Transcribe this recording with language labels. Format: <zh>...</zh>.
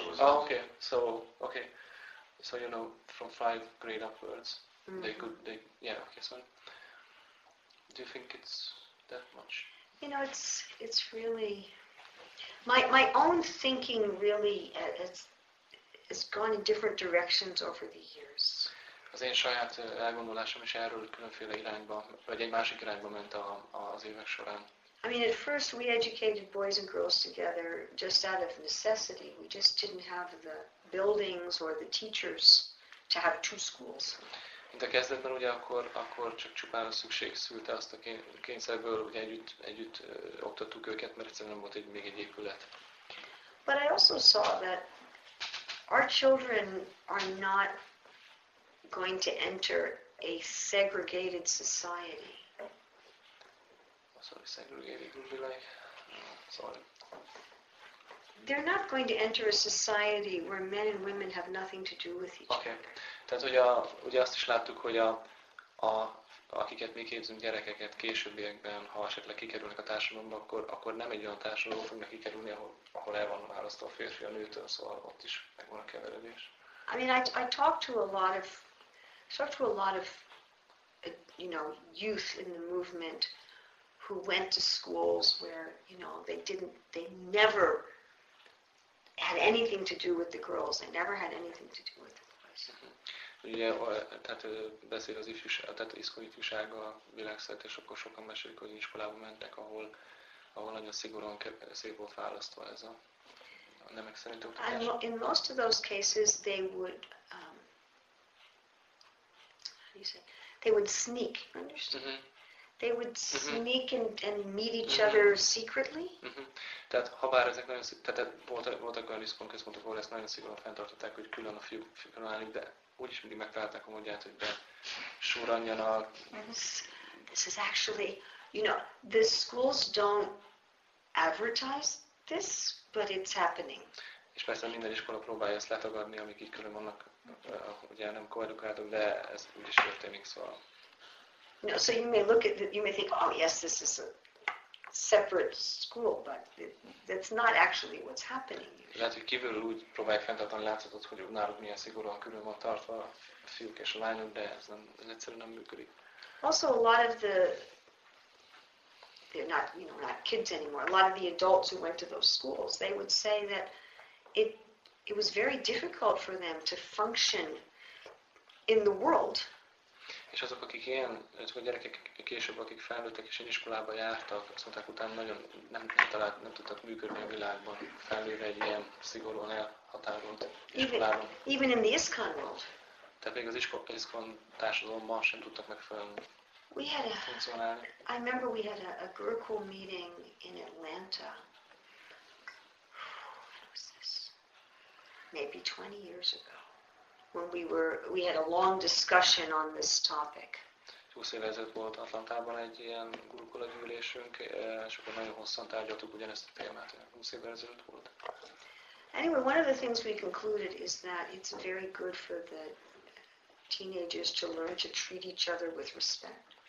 <en>Oh, okay. So, you know, from 5th grade upwards. Mm-hmm. Okay, sorry. Do you think it's that much? You know, it's really my own thinking really it's gone in different directions over the years.</en> <hu>Az én saját elgondolásom is erről különféle irányba, vagy egy másik irányba ment az évek során.</hu> <en>I mean, at first we educated boys and girls together just out of necessity. We just didn't have the buildings or the teachers to have two schools.</en> <hu>Mint a kezdetben ugye akkor csak csupán a szükség szülte azt a kényszerből, hogy együtt oktattuk őket, mert egyszerűen nem volt még egy épület.</hu> <en>But I also saw that our children are not going to enter a segregated society. Sorry, segregated would be like, sorry. They're not going to enter a society where men and women have nothing to do with each other. Okay.</en> <hu>Tehát ugye azt is láttuk, hogy a akiket mi képzünk gyerekeket későbbiekben, ha esetleg kikerülnek a társadalomba, akkor nem egy olyan társadalomba fognak kikerülni, ahol el van választva a férfi a nőtől, szóval ott is megvan a keveredés.</hu> <en>I mean, I talked to a lot of you know, youth in the movement who went to schools where, you know, they never had anything to do with the girls. They never had anything to do with the boys.</en> <hu>Ugye, tehát beszél az ifjúság, tehát iskolai ifjúság a világszerte, és akkor sokan mesélik, hogy iskolában mentek, ahol nagyon szigorúan szép volt választva ez a nemek szerint oktatás.</hu> <en>In most of those cases, they would, how do you say, they would sneak, you understand? Mm-hmm. They would sneak and meet each other secretly.</en> <hu>Tehát habár ezek nagyon, tehát voltak olyan iskolai központok, ahol ezt nagyon szigorúan fenntartották, hogy külön a fiúk állnak, de úgyis mindig megtalálták a módját, hogy besúranjanak.</hu> <en>This is actually, you know, the schools don't advertise this, but it's happening.</en> <hu>És persze minden iskola próbálja ezt letagadni, amik így külön vannak, ugye nem koedukáltak, de ez úgyis történik, szóval.</hu> <en>No, so you may look at the, you may think, oh yes, this is a separate school, but that's not actually what's happening.</en> <hu>Lehet, hogy kívülről úgy próbálják fenntartani látszatot, hogy náluk milyen szigorúan külön van tartva a fiúk és a lányok, de ez egyszerűen nem működik.</hu> <en>Also, a lot of the, they're not, you know, not kids anymore. A lot of the adults who went to those schools, they would say that it was very difficult for them to function in the world.</en> <hu>És azok, akik ilyen, a gyerekek később, akik felnőttek és egy iskolába jártak, azt mondták, utána nagyon nem tudtak működni a világban, felnőve egy ilyen szigorúan elhatárolt iskolában.</hu> <en>Even in the ISKCON world.</en> <hu>Tehát még az ISKCON társadalomban sem tudtak megfelelni.</hu> <en>We had a, I remember we had a Gurkul meeting in Atlanta. What was this? Maybe 20 years ago. When we had a long discussion on this topic.</en> <hu>20 éve ezelőtt volt Atlantában egy ilyen gurukula gyűlésünk, és akkor nagyon hosszan tárgyaltuk ugyanezt a témát. 20 éve ezelőtt volt.</hu> <en>Anyway, one of the things we concluded is that it's very good for the teenagers to learn to treat each other with respect.</en>